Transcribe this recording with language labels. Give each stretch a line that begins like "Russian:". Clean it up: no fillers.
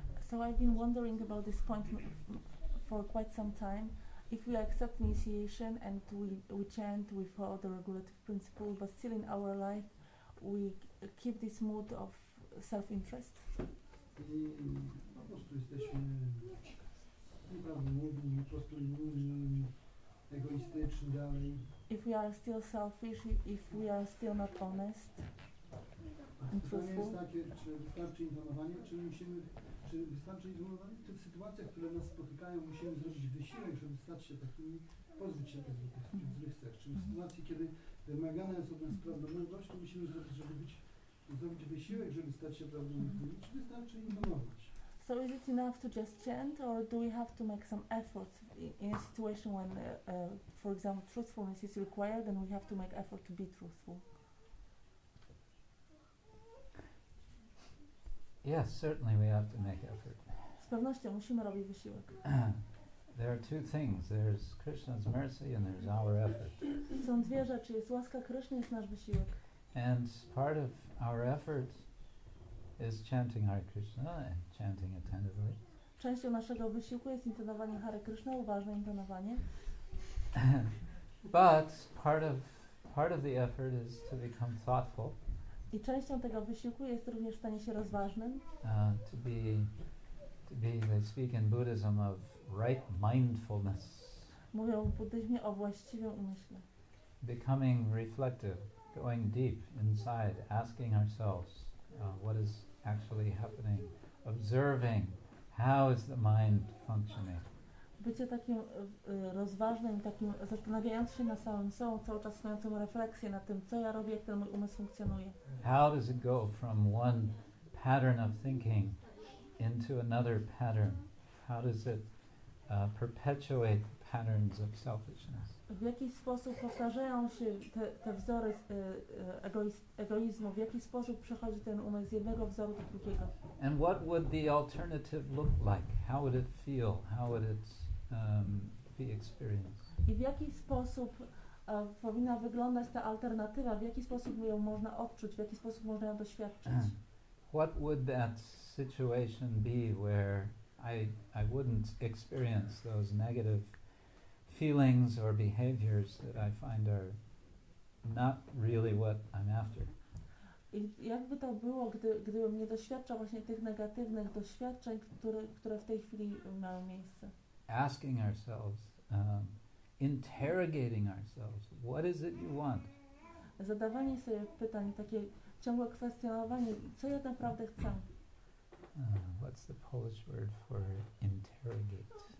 English: So I've been wondering about this point for quite some time. If we accept initiation and we chant, we follow the regulative principle, but still in our life we keep this mood of self-interest.
Polish: I po prostu jesteśmy nieprawdomówni, po prostu inni, egoistyczni dalej.
English: If we are still selfish, if we are still not honest and truthful.
Polish: Jest takie, czy wystarczy intonowanie, czy musimy, czy wystarczy intonowanie, to w sytuacjach, które nas spotykają, musimy zrobić wysiłek, żeby stać się takimi, pozbyć się tych złych cech. Czy w sytuacji, kiedy wymagana jest od nas prawdomówność, to musimy zrobić wysiłek, żeby stać się prawdomówni, czy wystarczy intonować.
English: So is it enough to just chant, or do we have to make some efforts in a situation when, for example, truthfulness is required, and we have to make effort to be truthful? Yes, certainly we have to make effort.
Polish: Z pewnością musimy robić wysiłek.
English: There are two things. There's Krishna's mercy and there's our effort.
Polish: Są dwie rzeczy. Jest łaska Krishna, jest nasz wysiłek.
English: And part of our effort is chanting Hare Krishna and chanting attentively.
Polish: Częścią naszego wysiłku jest intonowanie Hare Krishna, uważne intonowanie.
English: But part of the effort is to become thoughtful.
Polish: I częścią tego wysiłku jest również stanie się rozważnym.
English: To be, they speak in Buddhism of right mindfulness.
Polish: Mówią w buddyzmie o właściwym umyśle.
English: Becoming reflective, going deep inside, asking ourselves, what is actually happening, observing how is the mind functioning.
Polish: bycie takim rozważnym, takim zastanawiającym się na samym sobą, cały czas mającym refleksję na tym, co ja robię, jak ten mój umysł funkcjonuje.
English: How does it go from one pattern of thinking into another pattern? How does it perpetuate patterns of selfishness?
Polish: W jaki sposób powtarzają się te wzory egoizmu? W jaki sposób przechodzi ten umysł z jednego wzoru do drugiego?
English: And what would the alternative look like? How would it feel? How would it be experienced?
Polish: I w jaki sposób powinna wyglądać ta alternatywa? W jaki sposób ją można odczuć? W jaki sposób można ją doświadczyć?
English: What would that situation be where I wouldn't experience those negative feelings or behaviors that I find are not really what I'm after?
Polish: I jakby to było, gdybym nie doświadczał właśnie tych negatywnych doświadczeń, które w tej chwili mają miejsce?
English: Asking ourselves, interrogating ourselves, what is it you want?
Polish: Zadawanie sobie pytań, takie ciągłe kwestionowanie, co ja naprawdę chcę?
English: What's the Polish word for interrogate?